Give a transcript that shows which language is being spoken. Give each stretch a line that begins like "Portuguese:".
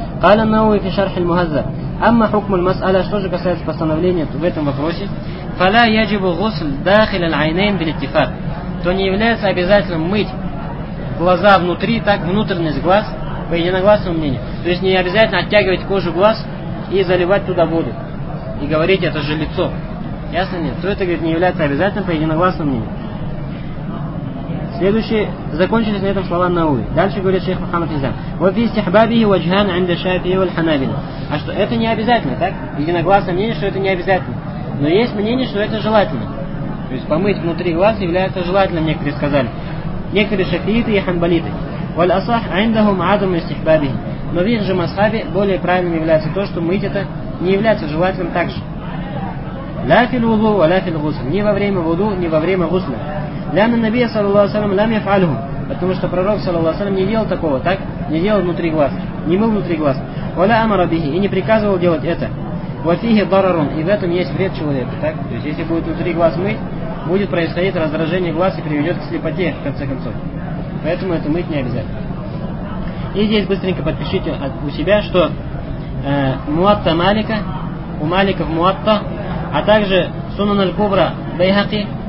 Arabic: قال النووي في شرح المهذب اما حكم المساله
Russian: что же касается постановления в этом вопросе
Arabic: فلا يجب غسل داخل العينين بالاتفاق
Russian: то не является обязательным мыть глаза внутри так внутренность глаз по единогласному мнению то есть не обязательно оттягивать кожу глаз и заливать туда воду и говорить это же лицо ясно нет то это говорит не является обязательным по единогласному мнению Следующие закончились на этом слова Науи. Дальше говорит шейх Мухаммад Изам.
Arabic: وفي استحبابه وجهان عند الشافعي والحنابلة.
Russian: А что это не обязательно, так? Единогласное мнение, что это не обязательно. Но есть мнение, что это желательно. То есть помыть внутри глаз является желательным, некоторые сказали. Некоторые шафииты и ханбалиты.
Arabic: والأصح عندهم عدم استحبابه.
Russian: Но в их же масхабе более правильным является то, что мыть это не является желательным также.
Arabic: لا في الوضوء ولا في الغسل.
Russian: Ни во время вуду, ни во время гусла.
Arabic: لأن النبي صلى الله عليه وسلم لم يفعله،
Russian: потому что пророк
Arabic: صلى الله عليه وسلم
Russian: не делал такого, так? Не делал внутри глаз, не мыл внутри глаз.
Arabic: ولا أمر به
Russian: и не приказывал делать это.
Arabic: وفيه ضرر
Russian: и в этом есть вред человеку, так? То есть если будет внутри глаз мыть, будет происходить раздражение глаз и приведет к слепоте в конце концов. Поэтому это мыть не обязательно. И здесь быстренько подпишите у себя, что Муатта Малика, у Маликов Муатта, а также Сунан аль-Кубра Байхаки.